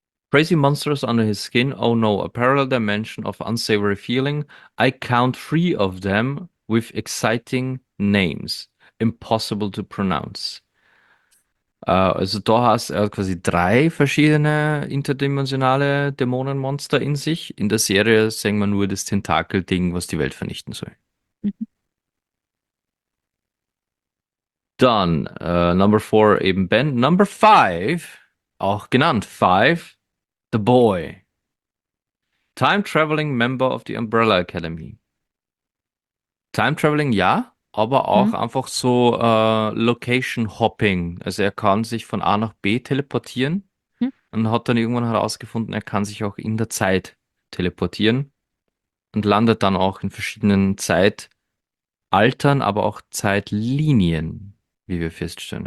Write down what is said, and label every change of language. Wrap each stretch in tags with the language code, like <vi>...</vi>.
<en>Crazy monsters under his skin, oh no, a parallel dimension of unsavory feeling. I count three of them with exciting names, impossible to pronounce.</en> <de>Also da hast du quasi drei verschiedene interdimensionale Dämonenmonster in sich. In der Serie sehen wir nur das Tentakel-Ding, was die Welt vernichten soll. Dann, number four, eben Ben. Number five, auch genannt five.</de> <en>The Boy. Time-traveling member of the Umbrella Academy.</en> <de>Time-traveling, ja, aber auch einfach so Location-Hopping. Also er kann sich von A nach B teleportieren und hat dann irgendwann herausgefunden, er kann sich auch in der Zeit teleportieren und landet dann auch in verschiedenen Zeitaltern, aber auch Zeitlinien, wie wir feststellen.</de>